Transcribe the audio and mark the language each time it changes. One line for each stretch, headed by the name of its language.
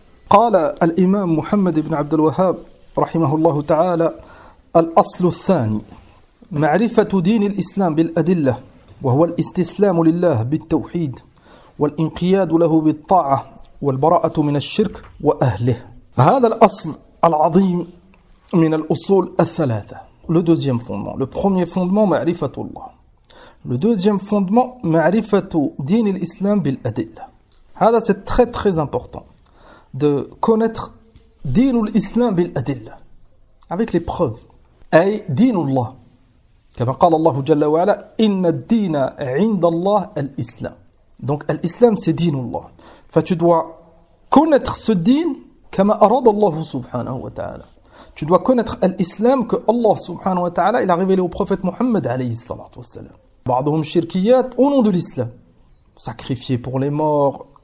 Arabic: قال الإمام محمد بن عبد الوهاب رحمه الله تعالى الأصل الثاني معرفة دين الإسلام بالأدلة وهو الاستسلام لله بالتوحيد والانقياد له بالطاعة والبراءة من الشرك وأهله. هذا الأصل العظيم من الأصول الثلاثة.
French: Le deuxième fondement. Le premier fondement,
Arabic: معرفة الله.
French: Le deuxième fondement,
Arabic: معرفة دين الإسلام بالأدلة. هذا
French: c'est très très important. De connaître
Arabic: dinul islam bil adilla,
French: avec les preuves.
Arabic: Ay dinullah. Comme قال الله جل وعلا إن الدين عند الله الإسلام.
French: Donc l'islam c'est dinullah. Fa tu dois connaître ce din comme
Arabic: أراد الله سبحانه وتعالى.
French: Tu dois connaître l'islam que Allah
Arabic: سبحانه وتعالى
French: il a révélé au prophète Mohammed
Arabic: عليه الصلاة والسلام. بعضهم شركيات
French: au nom de l'islam. Sacrifié pour les morts.